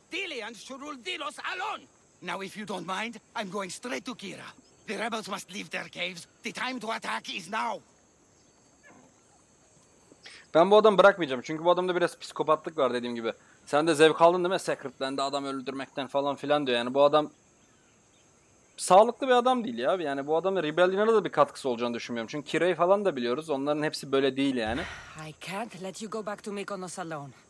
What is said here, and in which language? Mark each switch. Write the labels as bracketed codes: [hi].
[en] Velians should rule Delos alone. Now if you don't mind, I'm going straight to Kira. The rebels must leave their caves. The time to attack is now. [tr] Ben bu adamı bırakmayacağım çünkü bu adamda biraz psikopatlık var dediğim gibi. Sen de zevk aldın değil mi? Sacred'lerinde adam öldürmekten falan filan diyor. Yani bu adam sağlıklı bir adam değil ya. Yani bu adamın Rebellion'a da bir katkısı olacağını düşünmüyorum. Çünkü Kira'yı falan da biliyoruz. Onların hepsi böyle değil yani. [en] I can't let you go back to Mykonos alone.